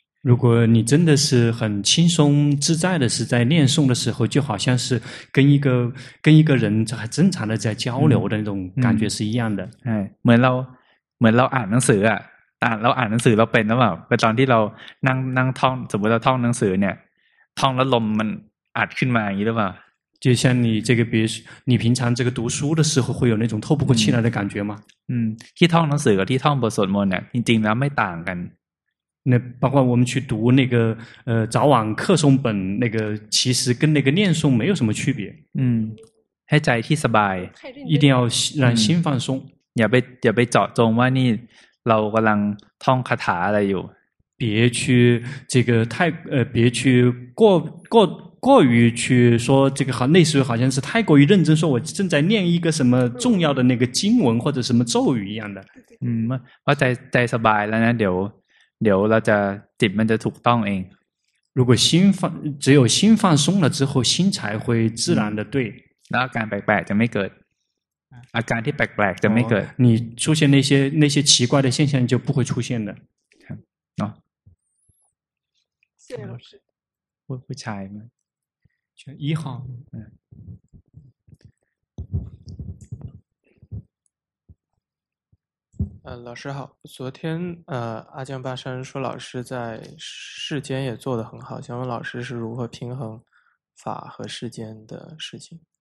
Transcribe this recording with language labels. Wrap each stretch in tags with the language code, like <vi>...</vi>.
<zh>如果你真的是很轻松自在的是在念诵的时候就好像是跟一个人在正常的在交流的那种感觉是一样的</zh> <th>เหมือนเราอ่านหนังสืออ่ะเราอ่านหนังสือเราเป็นหรือเปล่าตอนที่เรานั่งท่องสมมติเราท่องหนังสือเนี่ยท่องแล้วลมมันอัดขึ้นมาอย่างนี้หรือเปล่า</th> <zh>就像你这个比如你平常这个读书的时候会有那种透不过气来的感觉吗</zh> <th>ที่ท่องหนังสือกับที่ท่องบทสวดมนต์เนี่ยจริงๆแล้วไม่ต่างกัน</th> <zh>那包括我们去读那个早晚课诵本那个其实跟那个念诵没有什么区别</zh> <th>ให้ใจที่สบาย</th> <zh>一定要让心放松</zh> <th>อย่าไปเจาะจงว่านี่เรากำลังท่องคาถาอะไรอยู่</th> <zh>别去这个太别去过于去说这个好类似于好像是太过于认真说我正在念一个什么重要的那个经文或者什么咒语一样的</zh> <th>ว่าใจสบายแล้วนะเดี๋ยวเราจะจิตมันจะถูกต้องเอง</th> <zh>如果心放只有心放松了之后心才会自然的对</zh> <th>แล้วอาการแปลกๆจะไม่เกิดอาการที่แปลกๆจะไม่เกิด</th> <zh>你出现那些奇怪的现象就不会出现的好谢谢老师</zh> <th>不ชายมั้</th> <zh>ย1号老师好昨天阿江巴山说老师在世间也做得很好想问老师是如何平衡法和世间的事情</zh>